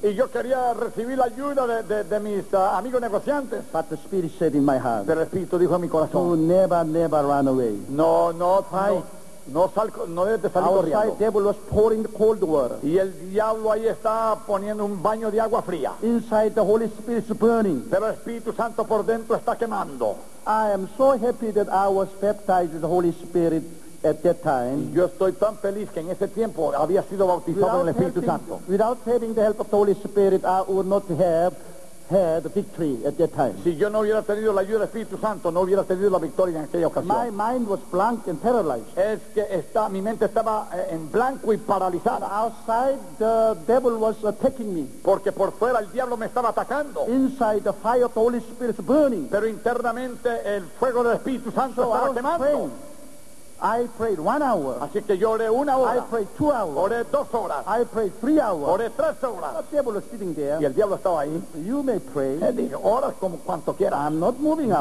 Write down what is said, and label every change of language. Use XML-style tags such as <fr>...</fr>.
<es>Y yo quería recibir la ayuda de mis amigos negociantes.</es> <en>But the spirit said in my heart.</en> <es>Pero el espíritu dijo en mi corazón.</es> <en>Never run away.</en> <es>No, no,</es> <en>fight.</en> <es>No debes de salir</es> <en>outside</en> <es>corriendo.</es> <en>Devil was pouring cold water.</en> <es>Y el diablo ahí está poniendo un baño de agua fría.</es> <en>Inside the Holy Spirit is burning.</en> <es>Pero el Espíritu Santo por dentro está quemando.</es> <en>I am so happy that I was baptized with the Holy Spirit at that time.</en> <es>Yo estoy tan feliz que en ese tiempo había sido bautizado</es> <en>without</en> <es>en el Espíritu</es> <en>helping,</en> <es>Santo.</es> <en>Without having the help of the Holy Spirit, I would not have had victory at that time.</en> <es>Si yo no hubiera tenido la ayuda del Espíritu Santo, no hubiera tenido la victoria en aquella ocasión.</es> <en>My mind was blank and paralyzed.</en> <es>Es que está, mi mente estaba en blanco y paralizada.</es> <en>But outside, the devil was attacking me.</en> <es>Porque por fuera el diablo me estaba atacando.</es> <en>Inside, the fire of the Holy Spirit is burning.</en> <es>Pero internamente el fuego del Espíritu Santo estaba quemando.</es> <en>Praying. I prayed 1 hour.</en> <es>Así que yo oré 1 hora.</es> <en>I prayed 2 hours.</en> <es>Oré 2 horas.</es> <en>I prayed 3 hours.</en> <es>Oré 3 horas.</es> <en>The devil was sitting there.</en> <es>Y el diablo estaba ahí.</es> <en>You may pray.</en> <es>Él dijo, oras como cuanto quieras.</es> <en>I'm not moving out.</en>